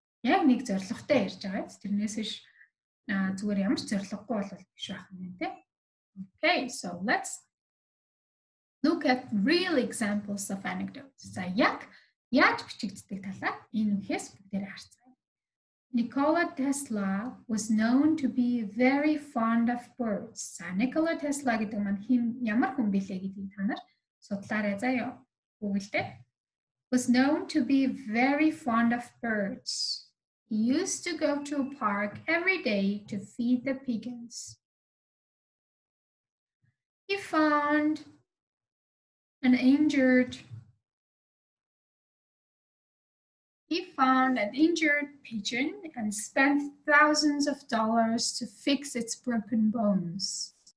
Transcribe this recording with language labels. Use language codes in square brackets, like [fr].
[mn] Яг нэг зоригтой ярьж байгаа. Тэрнээсээ зүгээр ямар ч зориггүй бол биш байх юм тийм. [en] Okay, so let's look at real examples of anecdotes. [mn] За яаж бичигддэг талаар энэ үхээс бүгдээрээ харъя. [en] Nikola Tesla was known to be very fond of birds. [mn] За Nikola Tesla гэдэг нь ямар хүн бэлээ гэдгийг та нар судлаарай заа ёо. Гуглдээ. [en] was known to be very fond of birds. He used to go to a park every day to feed the pigeons. He found an injured pigeon and spent thousands of dollars to fix its broken bones.